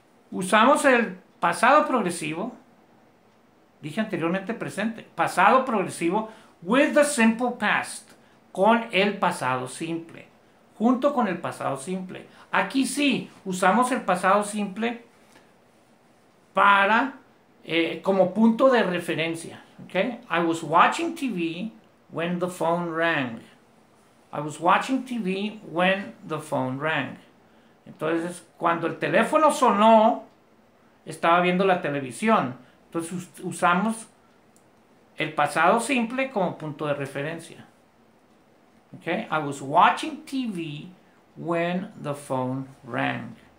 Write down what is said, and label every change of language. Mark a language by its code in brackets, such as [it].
[es] Usamos el pasado progresivo, dije anteriormente presente, pasado progresivo [en] with the simple past, [es] con el pasado simple, junto con el pasado simple. Aquí sí, usamos el pasado simple para como punto de referencia. [en] Okay? I was watching TV when the phone rang. I was watching TV when the phone rang. [es] Entonces, cuando el teléfono sonó, estaba viendo la televisión. Entonces, usamos el pasado simple como punto de referencia. Okay? [en] I was watching TV when the phone rang.